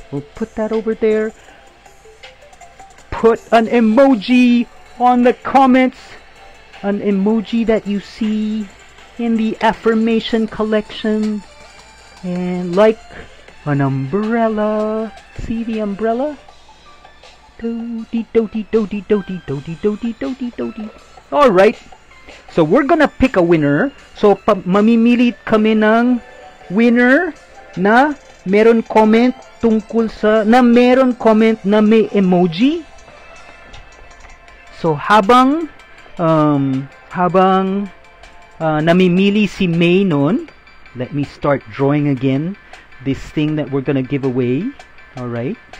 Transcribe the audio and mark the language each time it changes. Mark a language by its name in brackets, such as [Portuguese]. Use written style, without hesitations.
[English] We'll put that over there. Put an emoji on the comments, an emoji that you see in the affirmation collection, and like an umbrella. See the umbrella? Doty doty doty doty doty doty doty doty doty. All right, so we're gonna pick a winner. [Filipino] So mamimilit kami ng winner na meron comment tungkol sa na meron comment na may emoji. So habang namimili si May nun, [English] let me start drawing again this thing that we're gonna give away. All right.